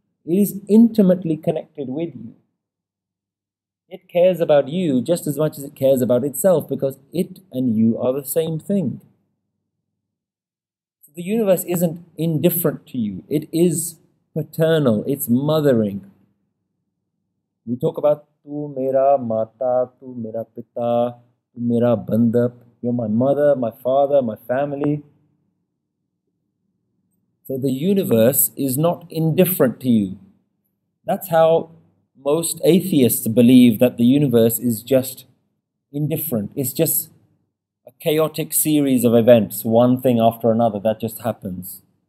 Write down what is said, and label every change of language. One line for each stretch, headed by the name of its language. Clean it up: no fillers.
English: It is intimately connected with you. It cares about you just as much as it cares about itself, because it and you are the same thing. So the universe isn't indifferent to you. It is paternal. It's mothering. We talk about
Punjabi: ਤੂ ਮੇਰਾ ਮਾਤਾ, ਤੂ ਮੇਰਾ ਪਿਤਾ, ਤੂ ਮੇਰਾ ਬੰਧਪ.
English: You're my mother, my father, my family. So the universe is not indifferent to you. That's how most atheists believe, that the universe is just indifferent. It's just a chaotic series of events, one thing after another, that just happens.